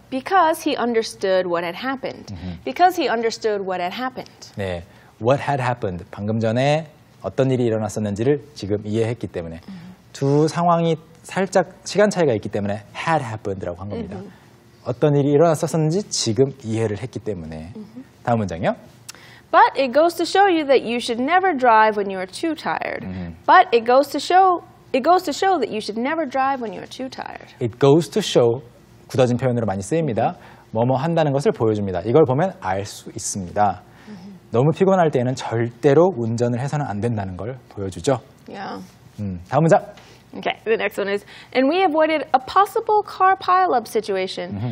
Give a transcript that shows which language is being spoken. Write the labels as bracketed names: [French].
[English] Because he understood what had happened. Mm-hmm. Because he understood what had happened. 네, what had happened. [Korean] 방금 전에 어떤 일이 일어났었는지를 지금 이해했기 때문에 두 상황이 살짝 시간 차이가 있기 때문에 [English] had happened [Korean] 라고 한 겁니다. [English] Mm-hmm. [Korean] 어떤 일이 일어났었는지 지금 이해를 했기 때문에. Mm-hmm. 다음 문장이요. [English] But it goes to show you that you should never drive when you are too tired. But it goes to show that you should never drive when you are too tired. It goes to show [Korean] 굳어진 표현으로 많이 쓰입니다. 뭐뭐 한다는 것을 보여줍니다. 이걸 보면 알 수 있습니다. 너무 피곤할 때에는 절대로 운전을 해서는 안 된다는 걸 보여주죠. [English] Yeah. [Korean] 다음 문장. [English] Okay, the next one is, and we avoided a possible car pileup situation.